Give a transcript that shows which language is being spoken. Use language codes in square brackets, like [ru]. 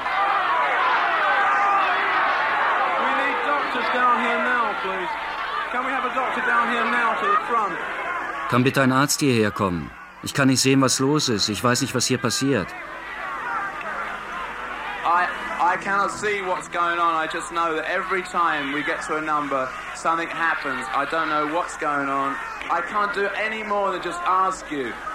[en] We need doctors down here now, please. Can we have a doctor down here now to the front? [de] Kann bitte ein Arzt hierher kommen? Ich kann nicht sehen, was los ist. Ich weiß nicht, was hier passiert. [en] I cannot see what's going on. I just know that every time we get to a number, something happens. I don't know what's going on. I can't do any more than just ask you.